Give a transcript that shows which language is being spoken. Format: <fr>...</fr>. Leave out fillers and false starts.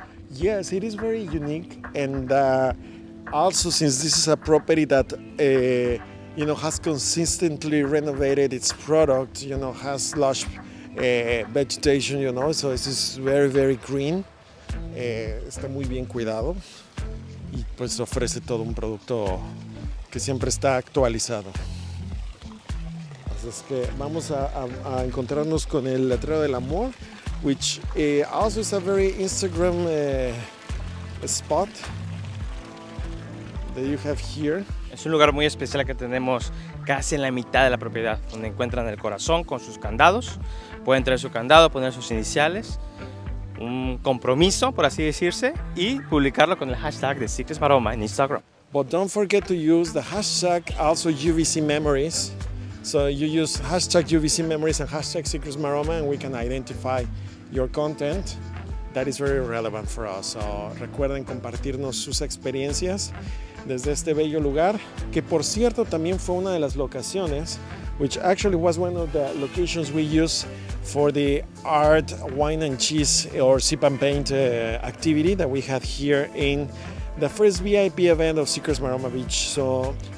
<en>Yes, it is very unique. And also, since this is a property that you know, has consistently renovated its product, you know, has lush vegetation, you know, so it's very, very green.</en> <es>Está muy bien cuidado. Y pues ofrece todo un producto que siempre está actualizado. Así es que vamos a encontrarnos con el letrero del amor,</es> <en>which also is a very Instagram spot that you have here.</en> <es>Es un lugar muy especial que tenemos casi en la mitad de la propiedad, donde encuentran el corazón con sus candados. Pueden traer su candado, poner sus iniciales, un compromiso, por así decirse, y publicarlo con el hashtag de Secrets Maroma en Instagram.</es> <en>But don't forget to use the hashtag also UVC memories. So you use hashtag UVC memories and hashtag Secrets Maroma and we can identify your content. That is very relevant for us. So</en> <es>recuerden compartirnos sus experiencias desde este bello lugar, que por cierto también fue una de las locaciones,</es> <en>which actually was one of the locations we use for the art, wine and cheese or sip and paint activity that we had here in the first VIP event of Secrets Maroma Beach. So</en>